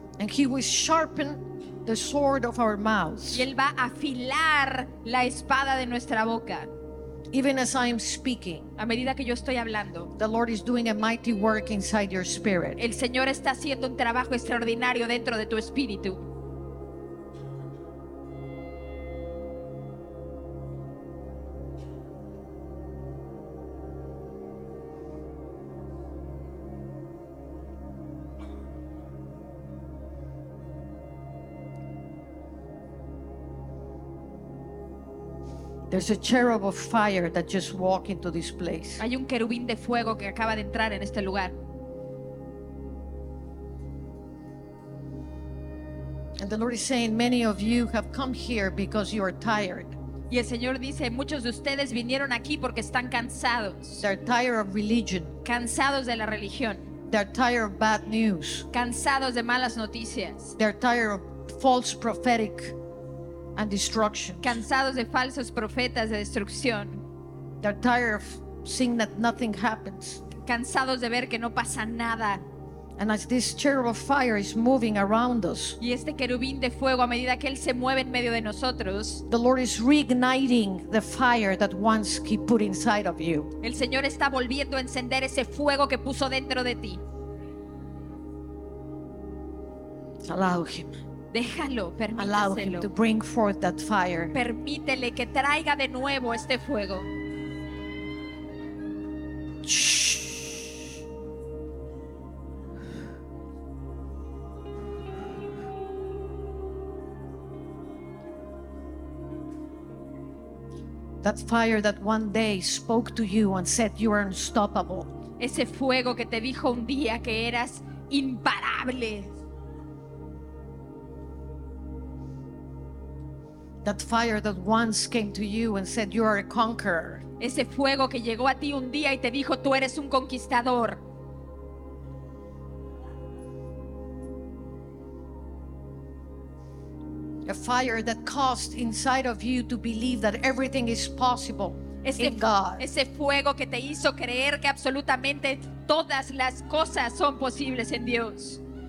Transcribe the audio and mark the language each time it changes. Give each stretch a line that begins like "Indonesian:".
English: And He will sharpen the sword of our mouths.
Spanish: Y él va a afilar la espada de nuestra boca.
English: Even as I am speaking.
Spanish: A medida que yo estoy hablando.
English: The Lord is doing a mighty work inside your spirit.
Spanish: El Señor está haciendo un trabajo extraordinario dentro de tu espíritu.
English: There's a cherub of fire that just walked into this place.
Spanish: Hay un querubín de fuego que acaba de entrar en este lugar.
English: And the Lord is saying, many of you have come here because you are tired.
Spanish: Y el Señor dice, muchos de ustedes vinieron aquí porque están cansados.
English: They're tired of religion.
Spanish: Cansados de la religión.
English: They're tired of bad news.
Spanish: Cansados de malas noticias.
English: They're tired of false prophetic and destruction.
Spanish: Cansados de falsos profetas de destrucción.
English: They're tired of seeing that nothing happens.
Spanish: Cansados de ver que no pasa nada.
English: And as this cherub fire is moving around us,
Spanish: y este querubín de fuego a medida que él se mueve en medio de nosotros,
English: the Lord is reigniting the fire that once he put inside of you.
Spanish: El Señor está volviendo a encender ese fuego que puso dentro de ti.
English: Allow him.
Spanish: Déjalo, permíteselo.
English: Allow him to bring forth that fire.
Spanish: Permítele que traiga de nuevo este fuego.
English: That fire that one day spoke to you and said you are unstoppable.
Spanish: Ese fuego que te dijo un día que eras imparable.
English: That fire that once came to you and said you are a conqueror.
Spanish: Ese fuego que llegó a ti un día y te dijo tú eres un conquistador.
English: A fire that caused inside of you to believe that everything is possible in God.
Spanish: Ese fuego que te hizo creer que absolutamente todas las cosas son posibles en Dios.